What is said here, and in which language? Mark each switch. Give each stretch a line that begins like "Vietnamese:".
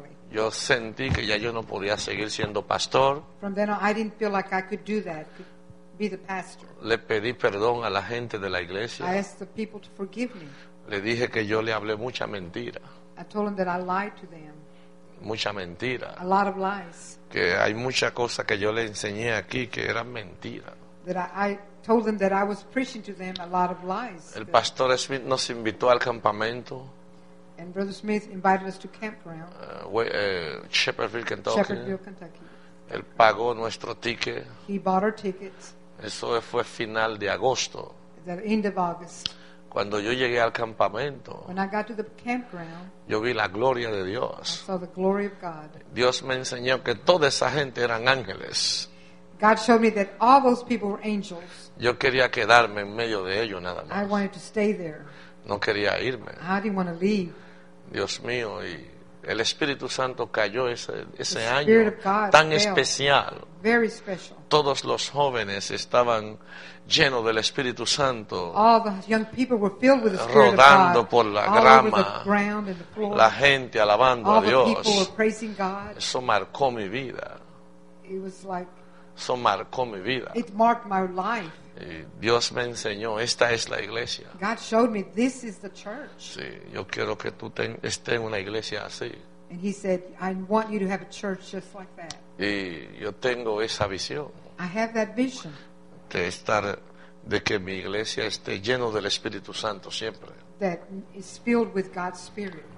Spanish: Yo sentí que ya yo no podía seguir siendo pastor.
English: From then on, I didn't feel like I could do that, could be the pastor.
Spanish: Le pedí perdón a la gente de la iglesia.
English: I asked the people to forgive me.
Spanish: Le dije que yo le hablé mucha mentira.
English: I told them that I lied to them.
Spanish: Mucha mentira.
English: A lot of lies.
Spanish: Que hay mucha cosa que yo le enseñé aquí que eran mentira.
English: That I told them that I was preaching to them a lot of lies.
Spanish: El pastor Smith nos invitó al campamento.
English: And Brother Smith invited us to campground. Shepherdville, Kentucky. Shepherdville, Kentucky.
Spanish: Él pagó nuestro ticket.
English: He bought our tickets.
Spanish: Eso fue final de agosto.
English: The end of August.
Spanish: Cuando yo llegué al campamento,
English: when I got to the campground,
Spanish: yo vi la gloria de Dios.
English: I saw the glory of God.
Spanish: Dios me enseñó que toda esa gente eran ángeles.
English: God showed me that all those people were angels.
Spanish: Yo quería quedarme en medio de ellos nada más.
English: I wanted to stay there.
Spanish: No quería irme.
English: I didn't want to leave.
Spanish: Dios mío, y el Espíritu Santo cayó ese
English: the
Spanish: año
English: of God
Spanish: tan
English: fell.
Spanish: Especial.
English: Very special.
Spanish: Todos los jóvenes estaban lleno del Espíritu Santo.
English: All the young people were filled with the Spirit
Spanish: rodando
English: of God,
Spanish: por la grama.
English: All over the ground and the floor.
Spanish: La gente alabando
English: all
Spanish: a Dios.
English: The people were praising God.
Spanish: Eso marcó mi vida.
English: It was like,
Spanish: eso marcó mi vida.
English: It marked my life.
Spanish: Y Dios me enseñó, esta es la iglesia.
English: God showed me, this is the church.
Spanish: Sí, yo quiero que tú estés en una iglesia así.
English: And he said, I want you to have a church just like that.
Spanish: Y yo tengo esa visión.
English: I have that vision.
Spanish: De estar, de que mi iglesia esté lleno del Espíritu Santo siempre.
English: That is filled with God's Spirit,